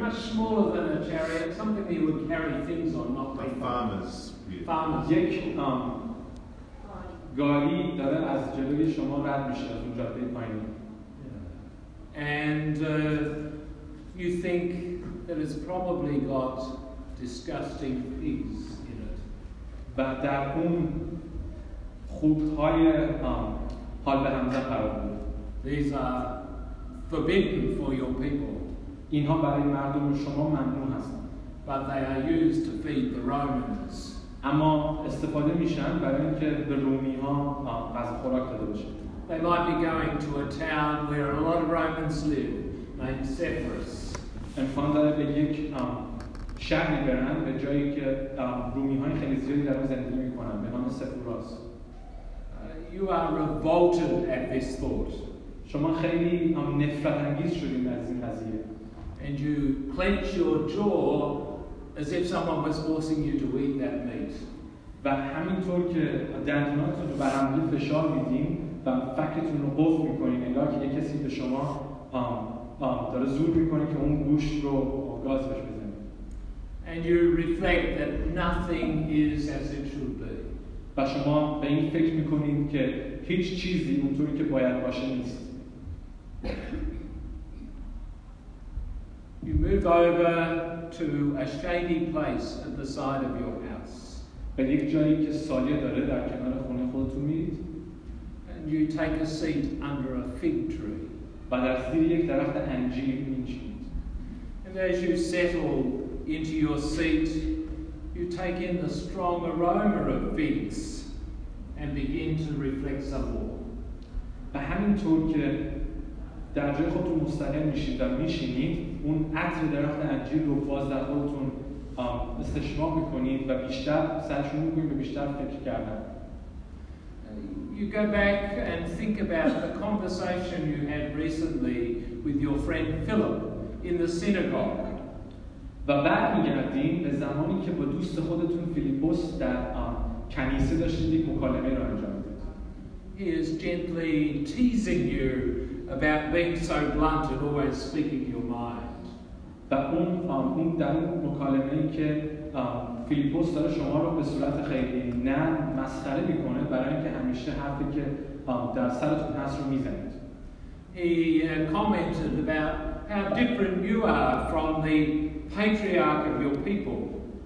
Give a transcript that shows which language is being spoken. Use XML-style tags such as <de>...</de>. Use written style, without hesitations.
<en>Much smaller than a chariot, something that you would carry things on, not like farmers. Farmers.</en> <fa>یک گاری داره از جلوی شما رد میشه از اون جاده پایینی.</fa> <en>And you think that it's probably got disgusting pigs in it.</en> <fa>و در اون خوک‌های حال به هم زد قرار بود.</fa> <en>These are forbidden for your people.</en> <fa>اینها برای مردم شما ممنوع هستند.</fa> <en>But they are used to feed the Romans.</en> <fa>اما استفاده میشن برای اینکه به رومی ها غذا خوراک داده بشه.</fa> <en>They might be going to a town where a lot of Romans live, named Sepphoris. And finally,</en> <fa>به یک شهر میبرن به جایی که رومی های خیلی زیادی در اون زندگی میکنن به نام سپوراس.</fa> <en>You are revolted at this thought.</en> <fa>شما خیلی نفرت انگیز شدید از این قضیه.</fa> <en>And you clench your jaw as if someone was forcing you to eat that meat.</en> <fa>و همینطور که دندوناتون رو به هم فشار میدین و فکتون رو قفل میکنین انگار که یک کسی به شما داره زور میکنه که اون گوشت رو گاز بهش بزنید.</fa> <en>And you reflect that nothing is as it should be.</en> <fa>و شما به این فکر میکنین که هیچ چیزی اونطوری که باید باشه نیست.</fa> <en>You move over to a shady place at the side of your house.</en> <fa>به یک جایی که سایه داره در کنار خونه خودتون میرید.</fa> <en>And you take a seat under a fig tree.</en> <fa>و در زیر یک درخت انجیر می‌نشینید.</fa> <en>And as you settle into your seat, you take in the strong aroma of figs and begin to reflect some more.</en> <fa>و همینطور که در جای خودتون مستقر میشید و میشینید اون عطر درخت انجیر رو باز در خودتون استشمام میکنید و بیشتر سرشون میکنید و بیشتر فکر کردن.</fa> <en>You go back and think about the conversation you had recently with your friend Philip in the synagogue.</en> <fa>و بعد میگردین به زمانی که با دوست خودتون فیلیپوس در کنیسه داشتید یک مکالمه رو انجام میدید.</fa> <en>He is gently teasing you about being so blunt and always speaking your mind.</en> <fa>و اون در اون مکالمه ای که فیلیپوس داره شما رو به صورت خیلی نه مسخره میکنه برای اینکه همیشه حرفی که در سرتون هست رو میزنید.</fa> <en>He commented about how different you are from the patriarch of your people.</en>